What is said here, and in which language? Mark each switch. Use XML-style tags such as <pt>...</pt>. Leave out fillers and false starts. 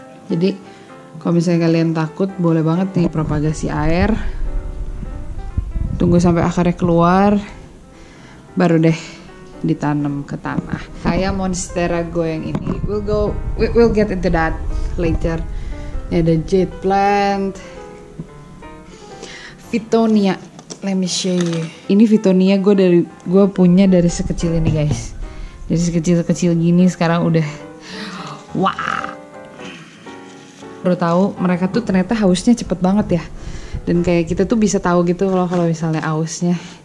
<id>Jadi kalau misalnya kalian takut, boleh banget nih propagasi air. Tunggu sampai akarnya keluar, baru deh ditanam ke tanah. Kayak monstera gue yang ini.</id> <en>We'll get into that later.</en> <id>Ini ada jade plant.</id> <en>Vitonia. Let me show you.</en> <id>Ini Vitonia gue punya dari sekecil ini, guys. Jadi sekecil-kecil gini sekarang udah wah. Baru tahu mereka tuh ternyata hausnya cepet banget ya. Dan kayak kita tuh bisa tahu gitu loh kalau misalnya hausnya.</id>